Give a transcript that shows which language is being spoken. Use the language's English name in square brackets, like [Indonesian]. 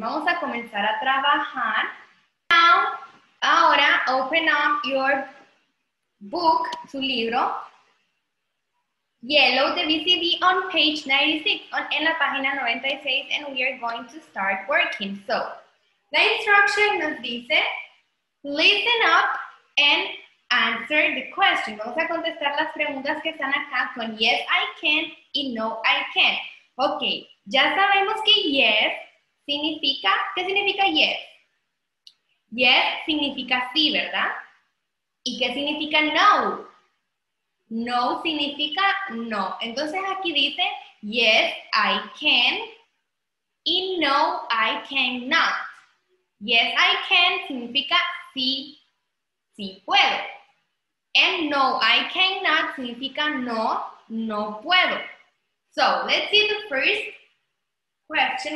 [Spanish] Vamos a comenzar a trabajar. Now, ahora, [English] open up your book, [Spanish] su libro. [English] Yellow, the BCB on page 96, [Spanish] en la página 96, [English] and we are going to start working. So, [Spanish] la instruction nos dice, [English] listen up and answer the question. [Spanish] Vamos a contestar las preguntas que están acá con [English] yes, I can [Spanish] y [English] no, I can. [Spanish] Ok, ya sabemos que yes significa, ¿qué significa yes? Yes significa sí, ¿verdad? ¿Y qué significa no? No significa no. Entonces aquí dice [English] yes, I can [Spanish] y [English] no, I cannot. Yes, I can [Spanish] significa sí, sí puedo. [English] And no, I cannot [Spanish] significa no, no puedo. [English] So, let's see the first question.